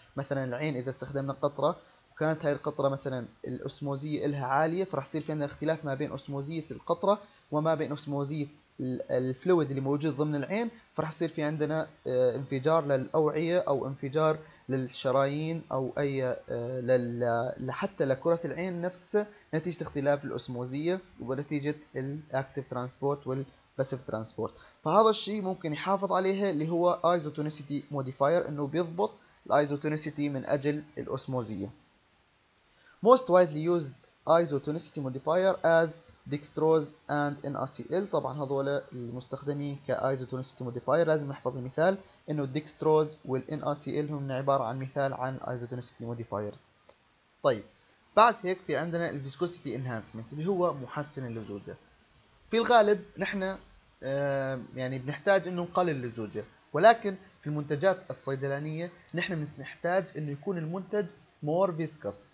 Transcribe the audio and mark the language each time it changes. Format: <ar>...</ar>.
<ar>مثلا العين اذا استخدمنا قطرة كانت هاي القطرة مثلا الأسموزية إلها عالية، فرح يصير في عندنا اختلاف ما بين أسموزية القطرة وما بين أسموزية الفلويد اللي موجود ضمن العين، فرح يصير في عندنا انفجار للأوعية أو انفجار للشرايين أو أي حتى لكرة العين نفسها نتيجة اختلاف الأسموزية ونتيجة الأكتيف ترانسبورت والباسيف ترانسبورت. فهذا الشيء ممكن يحافظ عليها اللي هو ايزوتونيسيتي موديفاير، إنه بيضبط الايزوتونيسيتي من أجل الأسموزية.</ar> <en>Most widely used isotonicity modifier as dextrose and NaCl.</en> <ar>طبعا هذول المستخدمين كايزوتونيسيتي موديفاير، لازم نحفظ المثال انه الدكستروز والNaCl هم عبارة عن مثال عن isotonicity modifier. طيب بعد هيك في عندنا الفيسكوسيتي انهانسمنت اللي هو محسن اللزوجة. في الغالب نحن يعني بنحتاج انه نقلل اللزوجة، ولكن في المنتجات الصيدلانية نحن بنحتاج انه يكون المنتج more viscous.</ar>